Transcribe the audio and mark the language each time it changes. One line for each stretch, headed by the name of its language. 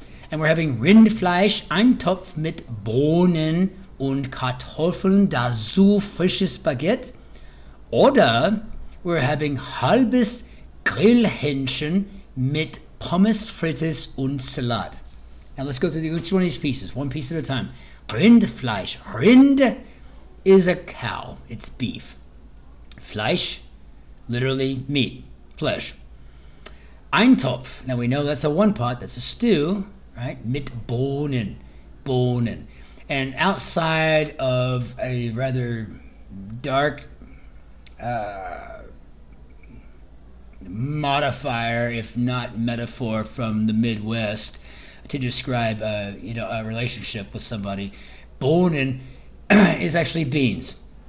English: And we're having
German: Rindfleisch, Eintopf mit Bohnen und Kartoffeln, dazu frisches Spaghetti. Oder
English: we're having
German: halbes Grillhähnchen mit Pommes frites und Salat.
English: Now let's go through each one of these pieces, one piece at a time. Rindfleisch. Rind is a cow, it's beef. Fleisch, literally meat, flesh. Eintopf, now we know that's a one pot, that's a stew. Right, mit Bohnen, Bohnen. And outside of a rather dark modifier, if not metaphor, from the Midwest to describe a relationship with somebody, Bohnen is actually beans.